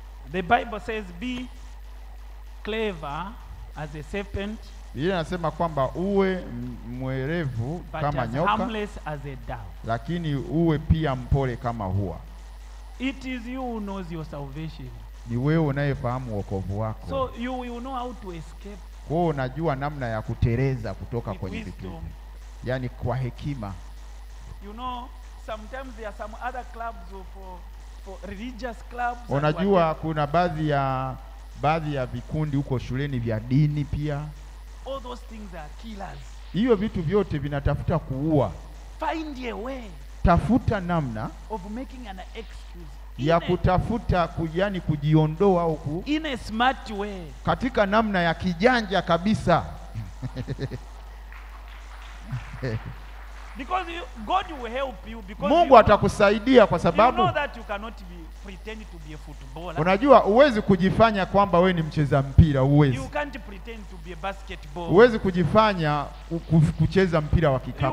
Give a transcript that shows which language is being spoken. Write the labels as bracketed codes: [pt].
[en] The Bible says be clever as a serpent. [sw] Biblia inasema kwamba uwe mwerevu kama nyoka, [en] but as harmless as a dove. [sw] Lakini uwe pia mpole kama hua. [en] It is you who knows your salvation. [sw] Ni wewe unayefahamu wokovu wako. [en] So you will know how to escape. [sw] Kwa unajua namna ya kutereza kutoka kwenye vitu. Yani kwa hekima. [en] You know, sometimes there are some other clubs for religious clubs. [sw] Unajua kuna baadhi ya vikundi huko shuleni vya dini pia. [en] All those things are killers. [sw] Hiyo vitu vyote vinatafuta kuua. [en] Find a way. [sw] Tafuta namna [en] of making an excuse [sw] ya kutafuta kujiani kujiondoa huku [en] in a smart way, [sw] katika namna ya kijanja kabisa. [en] Because you, God will help you, because [sw] Mungu atakusaidia kwa sababu [en] you know that you cannot be pretend to be a footballer. [sw] Unajua uwezi kujifanya kwamba wewe ni mcheza mpira, uwezi. [en] You can't pretend to be a basketball. [sw] Uwezi kujifanya kucheza mpira wa kikapu.